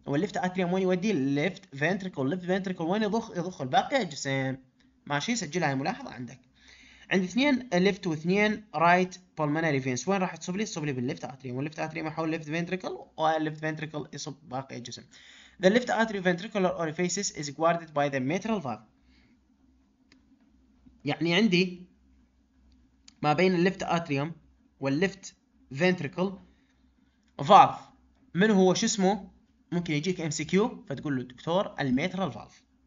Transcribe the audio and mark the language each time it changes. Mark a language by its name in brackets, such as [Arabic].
[Arabic] والليفت آتريوم وين يودي؟ الليفت فينتريكل. الليفت فينتريكل وين يضخ؟ يضخ الباقي الجسم، ماشي؟ سجلها، ملاحظة عندك. عندي اثنين ليفت واثنين رايت بولمونري فينس، وين راح تصب لي؟ تصب لي بالليفت آتريوم. والليفت آتريوم حول الليفت فينتريكل، والليفت فينتريكل يصب باقي الجسم. [English] The left atrioventricular orifices is guarded by the mitral valve. [Arabic] يعني عندي ما بين left atrium والleft ventricle valve. من هو شو اسمه؟ ممكن يجيك MCQ فتقول له دكتور المترال valve.